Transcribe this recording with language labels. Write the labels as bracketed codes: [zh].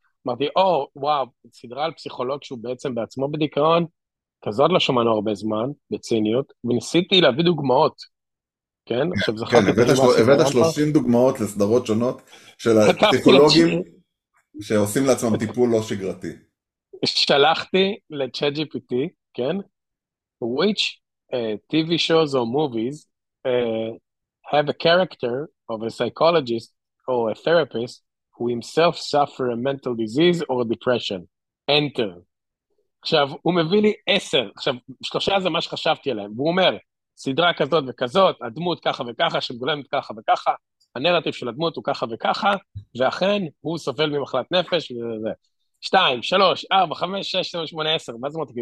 [he] אמרתי, או, וואו, סדרה על פסיכולוג שהוא בעצם בעצמו בדיכאון, כזאת לא שמענו הרבה זמן, בציניות, וניסיתי להביא דוגמאות, כן? עכשיו זכרתי... כן, הבאת 30 דוגמאות לסדרות שונות של הפסיכולוגים שעושים לעצמם טיפול לא שגרתי. שלחתי לצ'אט GPT, כן? [en] Which TV shows or movies have a character of a psychologist or a therapist who himself suffer a mental disease or depression? Enter. [he] עכשיו, הוא מביא לי 10, עכשיו, 3 זה מה שחשבתי עליהם, והוא אומר, סדרה כזאת וכזאת, הדמות ככה וככה, שמגולמת ככה וככה, הנרטיב של הדמות הוא ככה וככה, ואכן, הוא סובל ממחלת נפש, וזה, 2, 3, 4, 5, 6, 7, 8, 10, מה זה אומרת?